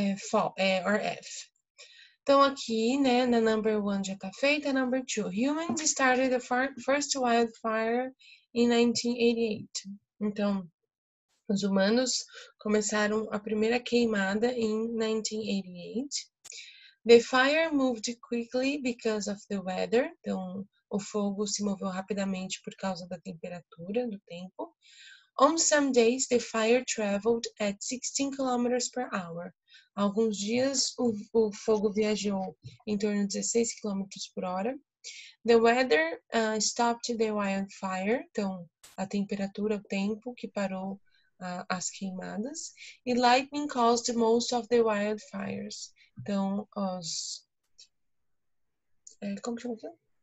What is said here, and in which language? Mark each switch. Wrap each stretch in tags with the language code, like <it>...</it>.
<en>fall, or F.</en> <pt>Então, aqui, né, na number one já tá feita, number two.</pt> <en>Humans started the first wildfire in 1988.</en> <pt>Então, os humanos começaram a primeira queimada em 1988.</pt> <en>The fire moved quickly because of the weather.</en> <pt>Então, o fogo se moveu rapidamente por causa da temperatura, do tempo.</pt> <en>On some days, the fire traveled at 16 kilometers per hour.</en> <pt>Alguns dias, o fogo viajou em torno de 16 km por hora.</pt> <en>The weather stopped the wildfire.</en> <pt>Então, a temperatura, o tempo que parou as queimadas.</pt> <en>E lightning caused most of the wildfires.</en> <pt>Então, os... como que chama?</pt>